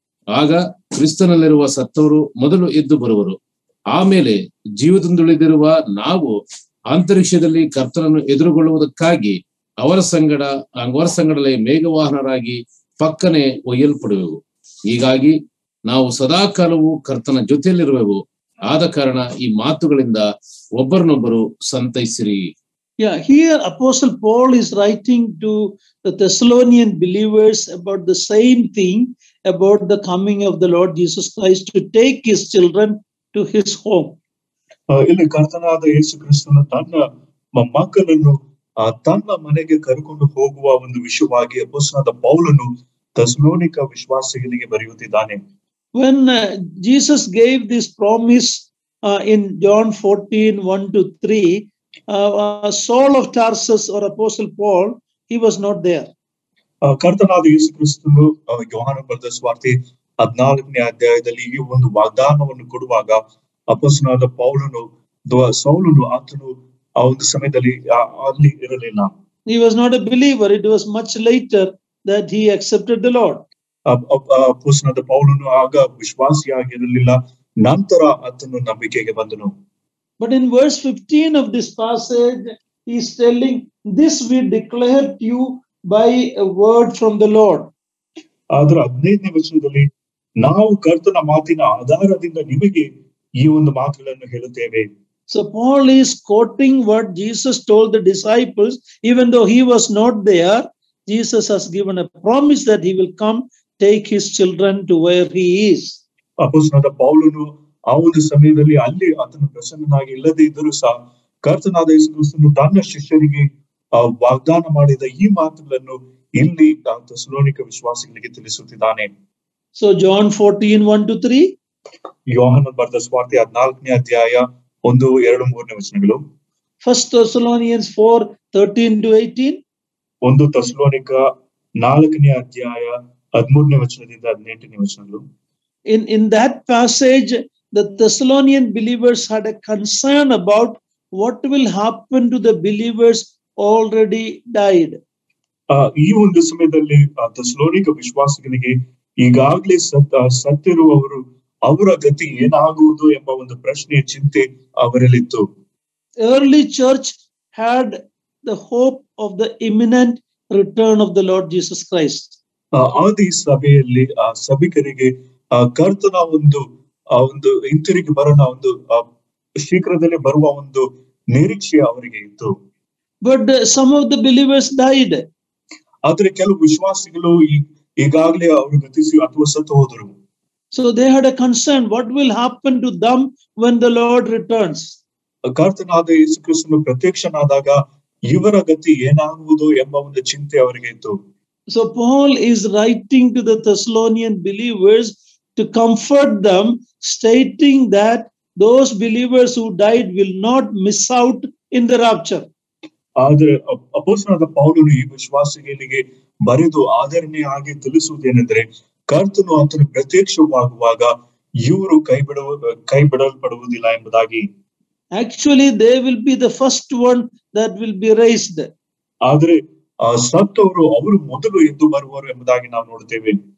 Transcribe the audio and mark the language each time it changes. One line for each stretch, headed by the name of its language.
Kannada: ಆಗ ಕ್ರಿಸ್ತನಲ್ಲಿರುವ ಸತ್ತವರು ಮೊದಲು ಎದ್ದು ಬರುವರು, ಆಮೇಲೆ ಜೀವದಿಂದುಳಿದಿರುವ ನಾವು ಅಂತರಿಕ್ಷದಲ್ಲಿ ಕರ್ತನನ್ನು ಎದುರುಗೊಳ್ಳುವುದಕ್ಕಾಗಿ ಅವರ ಸಂಗಡಲೆ ಮೇಘವಾಹನರಾಗಿ ಪಕ್ಕನೆ ಒಯ್ಯಲ್ಪಡುವೆವು. ಹೀಗಾಗಿ ನಾವು ಸದಾಕಾಲವೂ ಕರ್ತನ ಜೊತೆಯಲ್ಲಿರುವೆವು. ಆದ ಕಾರಣ ಈ ಮಾತುಗಳಿಂದ ಒಬ್ಬರನ್ನೊಬ್ಬರು ಸಂತೈಸಿರಿ.
English: Yeah, here Apostle Paul is writing to the Thessalonian believers about the same thing, about the coming of the Lord Jesus Christ to take his children to his home.
Kannada: ಇಲ್ಲಿ ಕರ್ತನಾದ ಯೇಸು ಕ್ರಿಸ್ತನು ತನ್ನ ಮಕ್ಕಳನ್ನು ತನ್ನ ಮನೆಗೆ ಕರ್ಕೊಂಡು ಹೋಗುವ ಒಂದು ವಿಷಯವಾಗಿ ಅಪೊಸ್ತಲನಾದ ಪೌಲನು ಥೆಸಲೋನಿಕ ವಿಶ್ವಾಸಿಗಳಿಗೆ ಬರೆಯುತ್ತಿದ್ದಾನೆ.
English: When Jesus gave this promise in John 14, 1-3, Saul of Tarsus or Apostle Paul, he was not there.
Kannada: ಕರ್ತನಾದ ಯೇಸು ಕ್ರಿಸ್ತನು ಯೋಹಾನ ಬರೆದ ಸುವಾರ್ತೆ 14ನೇ ಅಧ್ಯಾಯದಲ್ಲಿ ಈ ಒಂದು ವಾಗ್ದಾನವನ್ನು ಕೊಡುವಾಗ ಅಪೊಸ್ತಲನಾದ ಪೌಲನು ಸೌಲನು ಆತನು ಆ ಒಂದು ಸಮಯದಲ್ಲಿ ಅಲ್ಲಿ ಇರಲಿಲ್ಲ.
English: He was not a believer. It was much later that he accepted the Lord.
Kannada: ಅಪೊಸ್ತಲನಾದ ಪೌಲನು ಆಗ ವಿಶ್ವಾಸಿಯಾಗಿರಲಿಲ್ಲ, ನಂತರ ಆತನು ನಂಬಿಕೆಗೆ ಬಂದನು.
English: But in verse 15 of this passage, he is telling, this we declare to you by a word from the Lord.
Kannada: ಆದರೆ 15ನೇ ವಚನದಲ್ಲಿ ನಾವು ಕರ್ತನ ಮಾತಿನ ಆಧಾರದಿಂದ ನಿಮಗೆ ಈ ಒಂದು ಮಾತುಗಳನ್ನು ಹೇಳುತ್ತೇವೆ.
English: So Paul is quoting what Jesus told the disciples, even though he was not there, Jesus has given a promise that he will come, take his children to where he is.
Kannada: ಅಪೊಸ್ತಲನಾದ ಪೌಲನು ಆ ಒಂದು ಸಮಯದಲ್ಲಿ ಅಲ್ಲಿ ಆತನು ಪ್ರಸನ್ನನಾಗಿ ಇಲ್ಲದೆ ಇದ್ದರೂ ಸಹ ಕರ್ತನಾದ ಯೇಸು ಕ್ರಿಸ್ತನು ತನ್ನ ಶಿಷ್ಯರಿಗೆ ವಾಗ್ದಾನ ಮಾಡಿದ ಈ ಮಾತುಗಳನ್ನು ಇಲ್ಲಿ ಥೆಸಲೋನಿಕ ವಿಶ್ವಾಸಿಗಳಿಗೆ ತಿಳಿಸುತ್ತಿದ್ದಾನೆ.
English: so John 14:1-3
Kannada: ಯೋಹಾನ ಬರೆದ ಸುವಾರ್ತೆ 14:1-3 ವಚನಗಳು.
English: first Thessalonians 4:13-18
Kannada: ಒಂದು ಥೆಸಲೋನಿಕ 4:13 ವಚನದಿಂದ 18 ವಚನಗಳು.
English: In that passage, the Thessalonian believers had a concern about what will happen to the believers already died.
Kannada: ಈ ಒಂದು ಸಮಯದಲ್ಲಿ ಥೆಸಲೋನಿಕ ವಿಶ್ವಾಸಿಗಳಿಗೆ ಈಗಾಗಲೇ ಸತ್ತಿರುವವರು ಅವರ ಗತಿ ಏನಾಗುವುದು ಎಂಬ ಒಂದು ಪ್ರಶ್ನೆಯ ಚಿಂತೆ ಅವರಲ್ಲಿತ್ತು.
English: Early church had the hope of the imminent return of the Lord Jesus Christ.
Kannada: ಆದಿ ಸಭೆಯಲ್ಲಿ ಸಭಿಕರಿಗೆ ಕರ್ತನ ಒಂದು ಹಿಂತಿರುಗಿ ಬರೋಣ ಒಂದು ಶೀಘ್ರದಲ್ಲಿ ಬರುವ ಒಂದು ನಿರೀಕ್ಷೆ ಅವರಿಗೆ ಇತ್ತು.
English: but some of the believers died
Kannada: ಆದ್ರೆ ಕೆಲವು ವಿಶ್ವಾಸಿಗಳು ಈಗಾಗಲೇ ಅವರು ಗತಿಸಿ ಅಥವಾ ಸತ್ತು ಹೋದರು.
English: So they had a concern what will happen to them when the lord returns.
Kannada: ಕರ್ತನಾದ ಯೇಸು ಕ್ರಿಸ್ತನು ಪ್ರತ್ಯಕ್ಷನಾದಾಗ ಇವರ ಗತಿ ಏನಾಗುವುದು ಎಂಬ ಒಂದು ಚಿಂತೆ ಅವರಿಗೆ ಇತ್ತು.
English: So Paul is writing to the Thessalonian believers to comfort them, stating that those believers who died will not miss out in the rapture.
Kannada: ಆದರೆ ಅಪೊಸ್ತಲನಾದ ಪೌಲನು ಈ ವಿಶ್ವಾಸಿಗಳಿಗೆ ಬರೆದು ಆದರಣೀಯವಾಗಿ ತಿಳಿಸುವುದೇನೆಂದರೆ ಕರ್ತನು ಆತನು ಪ್ರತ್ಯಕ್ಷವಾಗುವಾಗ ಇವರು ಕೈಬಿಡಲ್ಪಡುವುದಿಲ್ಲ ಎಂಬುದಾಗಿ.
English: Actually, they will be the first one that will be raised.
Kannada: ಆದರೆ ಸತ್ತವರು ಅವರು ಮೊದಲು ಎದ್ದು ಬರುವರು ಎಂಬುದಾಗಿ ನಾವು ನೋಡುತ್ತೇವೆ.